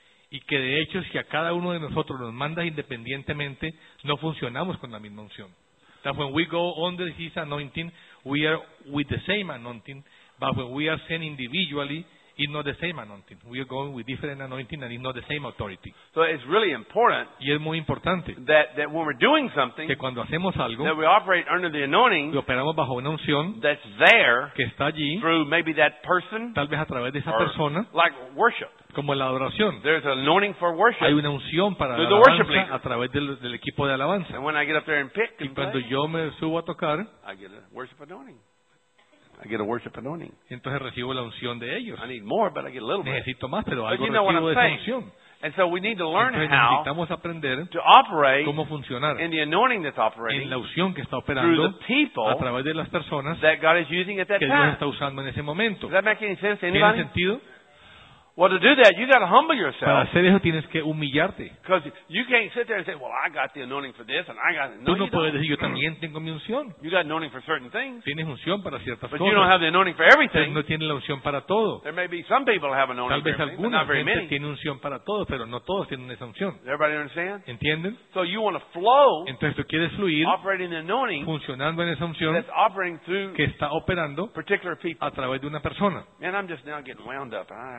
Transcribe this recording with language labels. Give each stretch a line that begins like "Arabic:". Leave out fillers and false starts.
Spanish: Y que de hecho si a cada uno de nosotros nos manda independientemente no funcionamos con la misma unción.
English: That when we go under his anointing we are with the same anointing, but when we are sent individually it's not the same anointing. We are going with different anointing and it's not the same authority. So it's really important.
Spanish: Y es muy importante
English: that when we're doing something
Spanish: que cuando hacemos algo
English: that we operate under the anointing
Spanish: operamos bajo una unción
English: that's there
Spanish: que está allí
English: through maybe that person
Spanish: tal vez a través de esa persona
English: like worship.
Spanish: Como la adoración.
English: There's an anointing for worship.
Spanish: Hay una unción para
English: the
Spanish: alabanza a través del equipo de alabanza.
English: And when I get up there and pick and
Spanish: y cuando
English: play,
Spanish: yo me subo a tocar,
English: I get a worship anointing. I get a worship anointing.
Spanish: Entonces recibo la unción de ellos.
English: I need more, but I get a little
Spanish: necesito
English: bit.
Spanish: Más, pero algo recibo de
English: saying.
Spanish: Esa unción.
English: And so we need to learn
Spanish: entonces necesitamos
English: how
Spanish: aprender
English: to operate
Spanish: cómo funcionar
English: in the anointing that's operating
Spanish: en la unción que está operando a través de las personas
English: that God is using at that
Spanish: que
English: time.
Spanish: Dios está usando en ese momento.
English: Does that make any sense to anybody?
Spanish: ¿Tiene sentido?
English: Well, to do that, you got to humble yourself.
Spanish: Para hacer eso, tienes que humillarte.
English: Because you can't sit there and say, "Well, I got the anointing for this, and I got."
Spanish: Tú no puedes decir yo también tengo mi unción.
English: You got anointing for certain things.
Spanish: Tienes unción para ciertas cosas.
English: But you don't have the anointing for everything.
Spanish: No tienes la unción para todo.
English: There may be some people have anointing.
Spanish: Tal vez algunos tienen unción para todo, pero no todos tienen esa unción.
English: Everybody understand?
Spanish: ¿Entienden?
English: So you want to flow.
Spanish: Entonces tú quieres fluir.
English: Operating the anointing.
Spanish: Funcionando en esa unción.
English: That's operating through.
Spanish: Que está operando.
English: Particular people.
Spanish: A través de una persona.
English: Man, I'm just now getting wound up.